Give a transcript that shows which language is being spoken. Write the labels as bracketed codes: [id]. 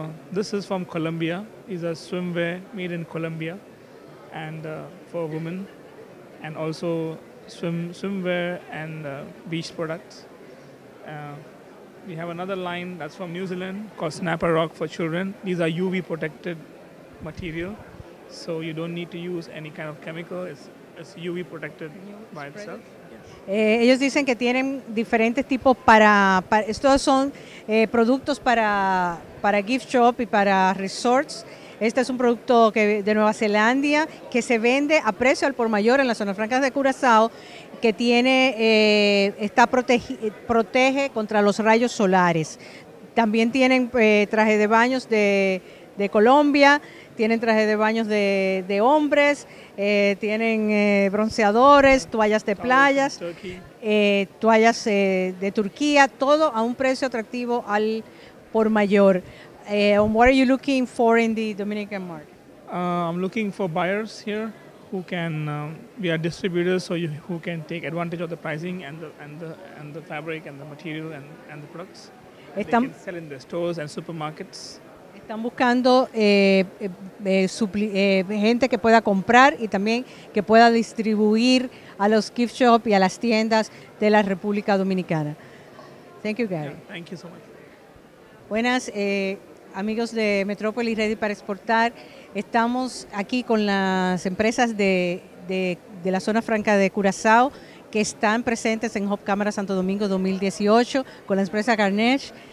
[en] This is from Colombia. It's a swimwear made in Colombia and for women, and also swimwear and beach products. We have another line that's from New Zealand called Snapper Rock for children. These are UV protected material, so you don't need to use any kind of chemical. It's UV protected by itself. [es] Ellos dicen que tienen diferentes tipos para estos son productos para gift shop y para resorts. Este es un producto que de Nueva Zelanda que se vende a precio al por mayor en las zonas francas de Curazao, que tiene protege contra los rayos solares. También tienen traje de baños de Colombia, tienen traje de baños de hombres, tienen bronceadores, toallas de playas, toallas de Turquía, todo a un precio atractivo al por mayor. [en] What are you looking for in the Dominican market? I'm looking for buyers here who can, we are distributors, so who can take advantage of the pricing and the fabric and the material and the products. [es] Están, [en] they can sell in the stores and supermarkets. [es] Están buscando gente que pueda comprar y también que pueda distribuir a los gift shops y a las tiendas de la República Dominicana. [en] Thank you, Gary. Yeah, thank you so much. [es] Buenas. Amigos de Metrópolis Ready para Exportar, estamos aquí con las empresas de la zona franca de Curazao que están presentes en Hop Cámara Santo Domingo 2018 con la empresa Carnage.